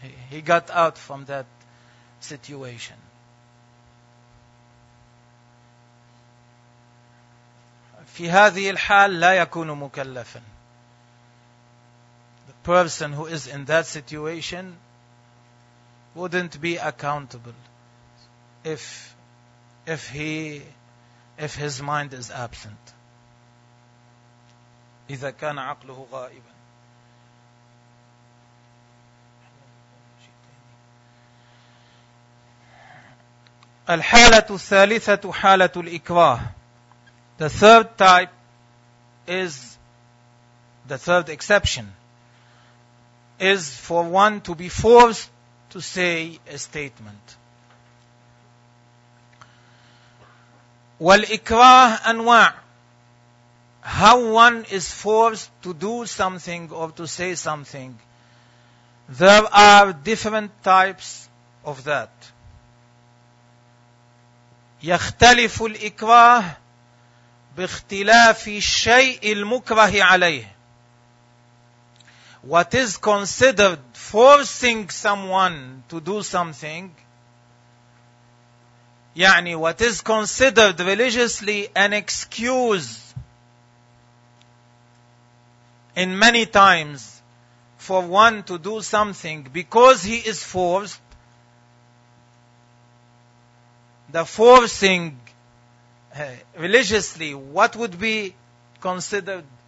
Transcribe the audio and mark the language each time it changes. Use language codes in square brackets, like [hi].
[en] He got out from that situation. [ar] في هذه الحال لا يكون مكلفا. [en] The person who is in that situation wouldn't be accountable if his mind is absent. [ar] إذا كان عقله غائبا. الحالة الثالثة حالة الإكراه. [en] The third type is, the third exception, is for one to be forced to say a statement. [ar] وَالْإِكْرَاهُ أَنْوَاعُ. [en] How one is forced to do something or to say something, there are different types of that. [ar] يَخْتَلِفُ الْإِكْرَاهُ باختلاف الشيء المكره عليه. [en] What is considered forcing someone to do something, يعني what is considered religiously an excuse in many times for one to do something because he is forced, the forcing religiously, what would be considered?